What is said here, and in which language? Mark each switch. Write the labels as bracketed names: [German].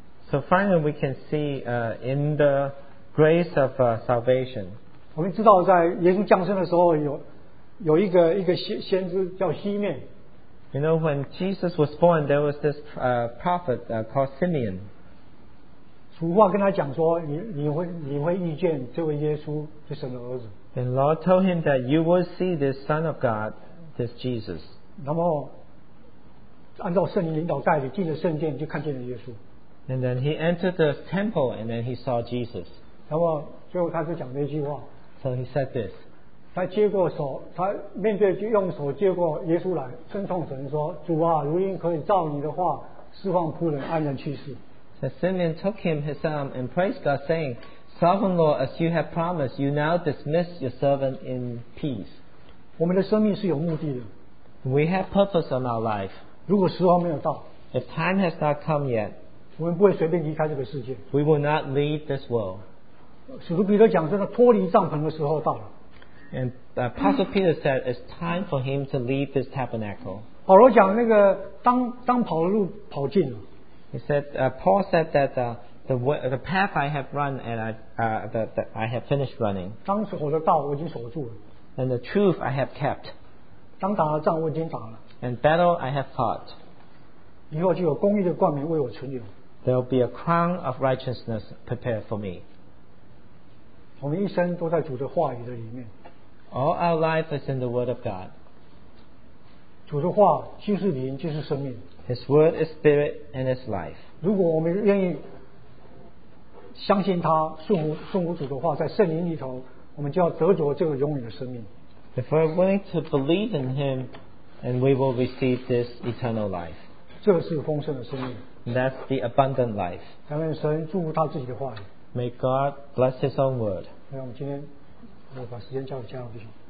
[English] So finally we can see in the grace of salvation. [Chinese] 我们知道在耶稣降生的时候有一个先知叫西面。 [English] You know when Jesus was born there was this prophet called Simeon. [Chinese] 主话跟他讲说你会遇见这位耶稣这神的儿子。 [English] And Lord told him that you will see this son of God, this Jesus. [Chinese] 那么按照圣灵领导带领进了圣殿，就看见了耶稣。 [English] And then he entered the temple, and then he saw Jesus. [Chinese] 然后最后他就讲了一句话。 [English] So he said this. [Chinese] 他接过手，他面对就用手接过耶稣来，称颂神说：“主啊，如今可以照你的话释放仆人安然去世。” [English] So Simeon took him his arm and praised God, saying, "Sovereign Lord, as you have promised, you now dismiss your servant in peace." [Chinese] 我们的生命是有目的的。 [English] We have purpose on our life. [Chinese] 如果时候没有到， [English] if time has not come yet, [Chinese] 我们不会随便离开这个世界。 [English] We will not leave this world. [Chinese] 使徒彼得讲，真的脱离帐篷的时候到了。 [English] And Apostle Peter said, it's time for him to leave this tabernacle. [Chinese] 保罗讲那个当跑的路跑尽了。 [English] He said, Paul said that the path I have run and I have finished running. [Chinese] 当时我的道我已经守住了。 [English] And the truth I have kept. [Chinese] 当打了仗，我已经打了。 [English] And battle I have fought. [Chinese] 以后就有公义的冠冕为我存留。 [English] There will be a crown of righteousness prepared for me. [Chinese] 我们一生都在主的话语的里面。 [English] All our life is in the Word of God. [Chinese] 主的话就是灵，就是生命。 [English] His Word is Spirit and is life. [Chinese] 如果我们愿意相信他，顺服主的话，在圣灵里头，我们就要得着这个永远的生命。 [English] If we're willing to believe in Him, and we will receive this eternal life. [Chinese] 这是丰盛的生命。 [English] That's the abundant life. [Chinese] 感恩神祝福他自己的话语。 [English] May God bless His own word. [Chinese] 让我们今天，我把时间交给家人弟兄。